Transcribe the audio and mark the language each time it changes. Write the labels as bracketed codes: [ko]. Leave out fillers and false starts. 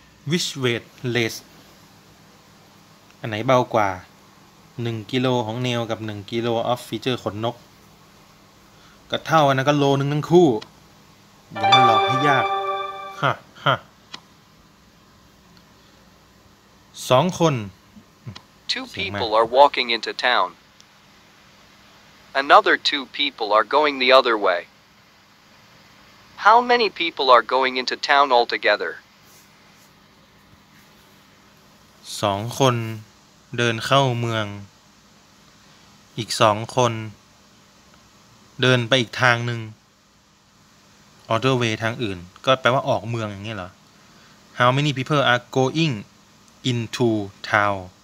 [th] วิชเวดเลสอันไหนเบากว่า1กิโลของเนลกับ1กิโลออฟฟีเจอร์ขนนกก็เท่ากันนะก็โลนึงทั้งคู่ยังมาหลอกให้ยากฮะฮะ2คน [en] Two people are walking into townAnother two people are going the other way. How many people are going into town altogether? [th] 2คนเดินเข้าเมืองอีก2คนเดินไปอีกทางนึง [en] Other way [th] ทางอื่นก็แปลว่าออกเมืองอย่างนี้เหรอ [en] How many people are going into town?